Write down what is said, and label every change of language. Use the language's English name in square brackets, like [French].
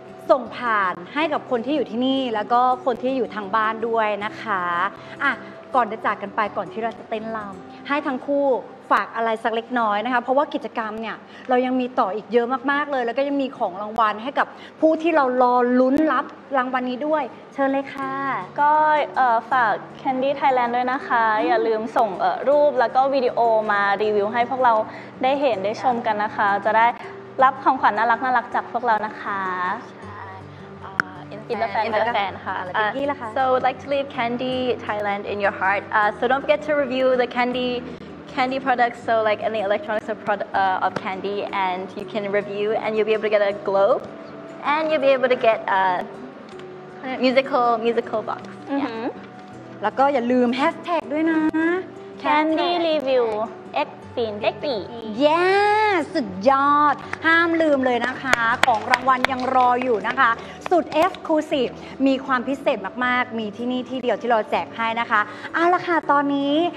[Thai] ส่งผ่านให้กับคนที่อยู่ที่นี่แล้วก็คนที่อยู่ทางบ้านด้วยนะคะอ่ะก่อนจะจากกันไปก่อนที่เราจะเต้นรำให้ทั้งคู่ฝากอะไรสักเล็กน้อยนะคะเพราะว่ากิจกรรมเนี่ยเรายังมีต่ออีกเยอะมากๆเลยแล้วก็ยังมีของรางวัลให้กับผู้ที่เรารอลุ้นรับรางวัลนี้ด้วยเชิญเลยค่ะ ก็ฝาก Candy Thailand ด้วยนะคะอย่าลืมส่งรูปแล้วก็วิดีโอมารีวิวให้พวกเราได้เห็นได้ชมกันนะคะจะได้รับของขวัญน่ารักๆจากพวกเรานะคะ ใช่ [English] So I'd like to leave Candy Thailand in your heart. So don't forget to review the Candy products, so like any electronics of Candy, and you can review and you'll be able to get a globe and you'll be able to get a musical box. [Thai] แล้วก็อย่าลืมแฮชแท็กด้วยนะ [English] Candy Review X Fin Becky [Thai] Yeah สุดยอดห้ามลืมเลยนะคะของรางวัลยังรออยู่นะคะสุด Exclusive มีความพิเศษมากๆมีที่นี่ที่เดียวที่เราแจกให้นะคะเอาละค่ะตอนนี้